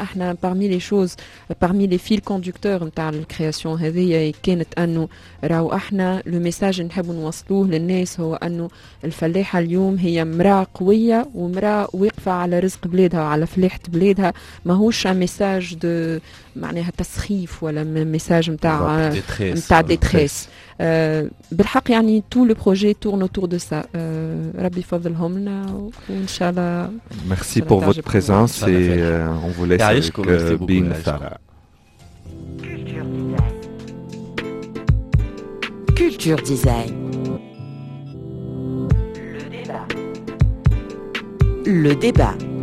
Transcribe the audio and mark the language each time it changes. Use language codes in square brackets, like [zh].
[ar] احنا [fr] parmi les choses, parmi les fils conducteurs [ar] تاع الكرياسيون هذه كانت انه راهو احنا le message نحب نوصلوه للناس هو انه الفلاحة اليوم هي مرأة قوية ومرأة واقفة على رزق بلادها وعلى فلاحة بلادها, ماهوش [fr] un message de [ar] معناها تسخيف ولا message متاع [fr] détresse. [ar] بالحق يعني [fr] tout le projet tourne autour de ça. [ar] ربي فضلهم لنا وان شاء الله. [fr] Merci pour votre présence et on vous laisse avec Bin Thara. Culture Design. Le débat.